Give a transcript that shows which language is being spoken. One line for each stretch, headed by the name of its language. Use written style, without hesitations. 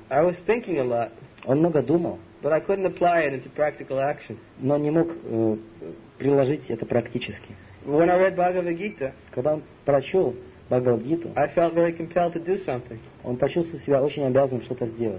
English: I was thinking a lot.
Russian: Он много думал.
English: But I couldn't apply it into practical action.
Russian: Но не мог приложить это практически.
English: When I read Bhagavad Gita,
Russian: когда он прочел Бхагавад Гиту,
English: I felt very compelled to do something.
Russian: Он почувствовал себя очень обязанным что-то сделать.